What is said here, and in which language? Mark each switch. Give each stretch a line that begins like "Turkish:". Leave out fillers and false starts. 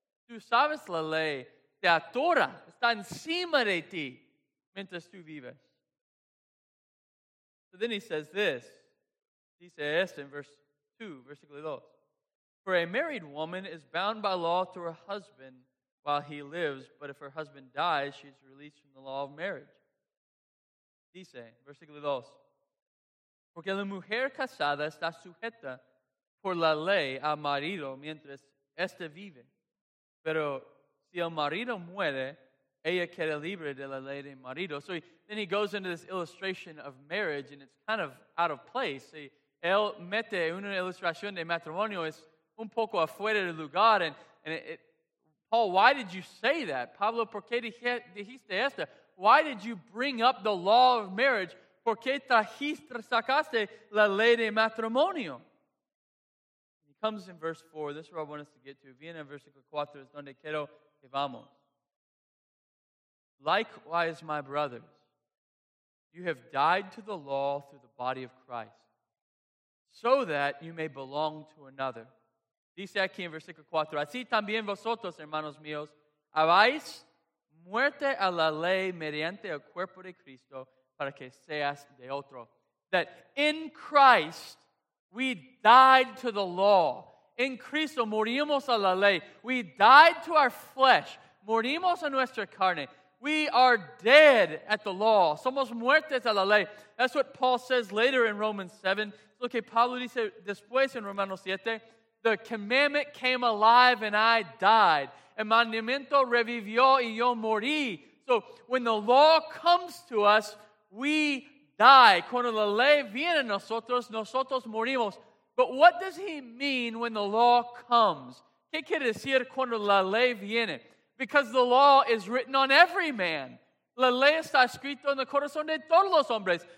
Spanish: Tú sabes la ley, te atora, está encima de ti, mientras tú vives.
English: So then he says this.
Spanish: Dice este
English: in verse 2,
Spanish: versículo 2.
English: For a married woman is bound by law to her husband while he lives, but if her husband dies, she is released from the law of marriage.
Spanish: Dice, versículo 2. porque la mujer casada está sujeta por la ley al marido mientras éste vive. Pero si el marido muere, ella queda libre de la ley del marido.
English: So then he goes into this illustration of marriage, and it's kind of out of place.
Spanish: Y él mete una ilustración de matrimonio, es un poco afuera de lugar.
English: And Paul, why did you say that?
Spanish: Pablo, ¿por qué dijiste esto?
English: Why did you bring up the law of marriage?
Spanish: ¿Por qué sacaste la ley de matrimonio?
English: He comes in verse 4. This is where I want us to get to.
Spanish: Viene en versículo 4. Es donde quiero que vamos.
English: Likewise, my brothers, you have died to the law through the body of Christ, so that you may belong to another.
Spanish: Dice aquí en versículo 4. Así también vosotros, hermanos míos, habéis muerte a la ley mediante el cuerpo de Cristo, para que seas de otro.
English: That in Christ, we died to the law. In
Spanish: Cristo, morimos a la ley.
English: We died to our flesh.
Spanish: Morimos a nuestra carne.
English: We are dead at the law.
Spanish: Somos muertes a la ley.
English: That's what Paul says later in Romans 7. Look,
Spanish: Pablo dice después en Romanos 7,
English: the commandment came alive and I died.
Spanish: El mandamiento revivió y yo morí.
English: So when the law comes to us, we die.
Spanish: Cuando la ley viene a nosotros, nosotros morimos.
English: But what does he mean when the law comes?
Spanish: ¿Qué quiere decir cuando la ley viene?
English: Because the law is written on every man.
Spanish: La ley está escrito en el corazón de todos los hombres.